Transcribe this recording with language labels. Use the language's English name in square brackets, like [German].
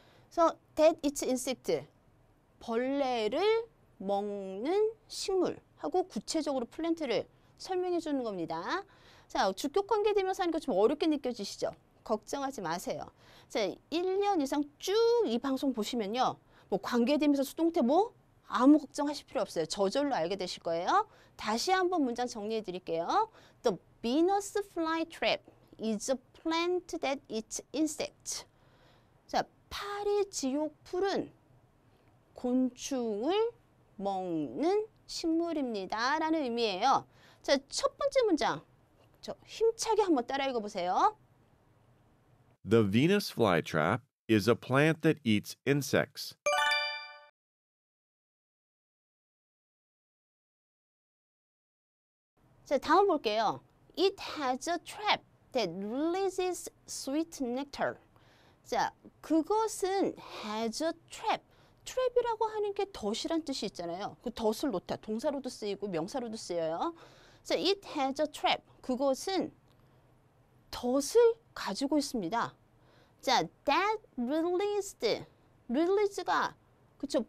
[Korean] 그래서 that it insect 벌레를 먹는 식물하고 구체적으로 플랜트를 설명해 주는 겁니다. 자, 주격관계대명사니까 좀 어렵게 느껴지시죠? 걱정하지 마세요. 자, 1년 이상 쭉 이 방송 보시면요. 뭐 관계대명사 수동태 뭐 아무 걱정하실 필요 없어요. 저절로 알게 되실 거예요. 다시 한번 문장 정리해 드릴게요. [English] The Venus flytrap is a plant that eats insects. [Korean] 자, 파리지옥풀은 곤충을 먹는 식물입니다 라는 의미예요. 자, 첫 번째 문장 저 힘차게 한번 따라 읽어보세요. [English] The Venus flytrap is a plant that eats insects. [Korean] 자, 다음 볼게요. [English] It has a trap that releases sweet nectar. [Korean] 자, 그것은 has a trap. 트랩이라고 하는 게 덫이란 뜻이 있잖아요. 그 덫을 놓다. 동사로도 쓰이고 명사로도 쓰여요. [English] So it has a trap. [Korean] 그것은 덫을 가지고 있습니다. 자, that released. Release가 그쵸?